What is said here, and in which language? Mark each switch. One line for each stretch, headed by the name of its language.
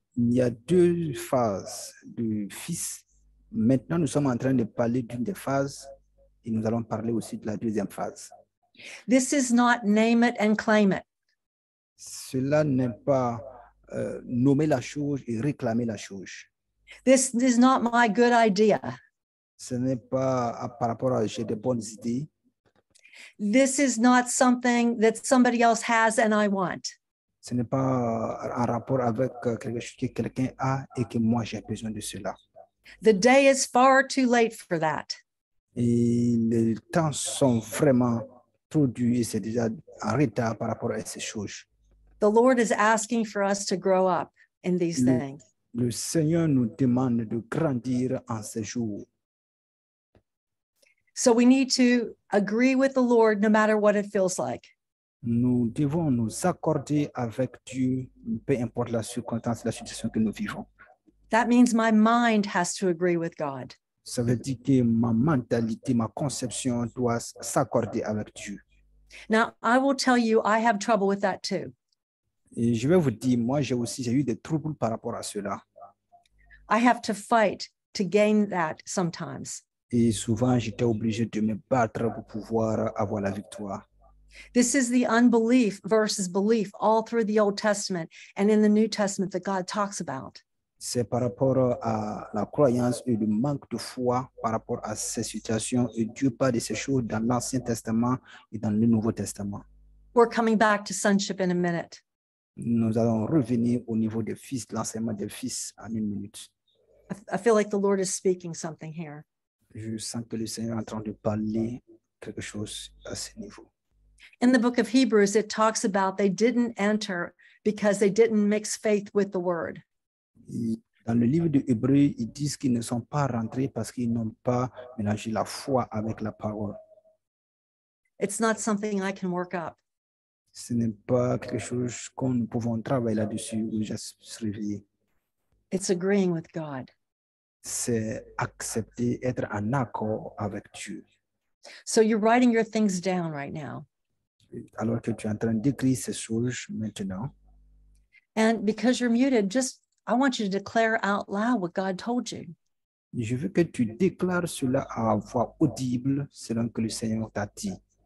French: Il y a deux phases du fils. Maintenant, nous sommes en train de parler d'une des phases, et nous allons parler aussi de la deuxième phase.
English: This is not name it and claim it.
French: Cela n'est pas nommer la chose et réclamer la chose.
English: This is not my good idea.
French: Ce n'est pas par rapport à j'ai des bonnes idées.
English: This is not something that somebody else has and I want.
French: Ce n'est pas en rapport avec quelque chose que quelqu'un a et que moi j'ai besoin de cela.
English: The day is far too late for that.
French: Et les temps sont vraiment trop durs et c'est déjà en retard par rapport à ces choses.
English: The Lord is asking for us to grow up in these things.
French: Le Seigneur nous demande de grandir en ces jours.
English: So we need to agree with the Lord no matter what it feels like.
French: Nous devons nous accorder avec Dieu, peu importe la circonstance, la situation que nous vivons.
English: That means my mind has to agree with God.
French: Ça veut dire que ma mentalité, ma conception doit s'accorder avec Dieu.
English: Now, I will tell you, I have trouble with that too.
French: Et je vais vous dire, moi j'ai eu des troubles par rapport à cela.
English: I have to fight to gain that sometimes.
French: Et souvent, j'étais obligé de me battre pour pouvoir avoir la victoire.
English: This is the unbelief versus belief all through the Old Testament and in the New Testament that God talks about.
French: C'est par rapport à la croyance et le manque de foi par rapport à ces situations. Et Dieu parle de ces choses dans l'Ancien Testament et dans le Nouveau Testament.
English: We're coming back to sonship in a minute.
French: Nous allons revenir au niveau des fils, l'enseignement des fils en une minute.
English: I feel like the Lord is speaking something here.
French: Je sens que le Seigneur est en train de parler quelque chose à ce niveau.
English: In the book of Hebrews, it talks about they didn't enter because they didn't mix faith with the word.
French: Dans le livre de Hébreux, ils disent qu'ils ne sont pas rentrés parce qu'ils n'ont pas mélangé la foi avec la parole.
English: It's not something I can work up.
French: Ce n'est pas quelque chose qu'on nous pouvons travailler là-dessus ou juste se réveiller.
English: It's agreeing with God.
French: C'est accepter, être en accord avec Dieu.
English: So you're writing your things down right now.
French: Alors que tu es en train d'écrire ces choses maintenant.
English: And because you're muted, just I want you to declare out loud what God told you.
French: Je veux que tu déclares cela à voix audible selon que le Seigneur t'a dit.